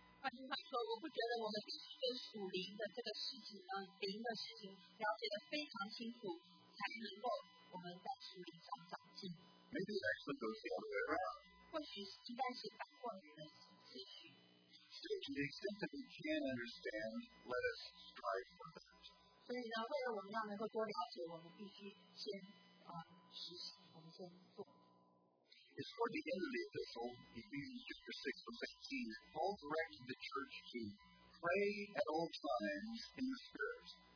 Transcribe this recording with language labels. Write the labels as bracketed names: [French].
[Chinese] 换句话说，我不觉得我们必须对属灵的这个事情，灵的事情了解得非常清楚，才能够我们在属灵上长进。 [English] Maybe it actually goes the other way around. [Chinese] 或许应该是反过来的顺序。 [English] So to the extent that we can understand, let us strive for that. [Chinese] 所以呢，为了我们要能够多了解，我们必须先实行，我们先做。 [English] It's toward the end of the epistle, Ephesians chapter 6, verse 18, that Paul directed the church to pray at all times in the Spirit.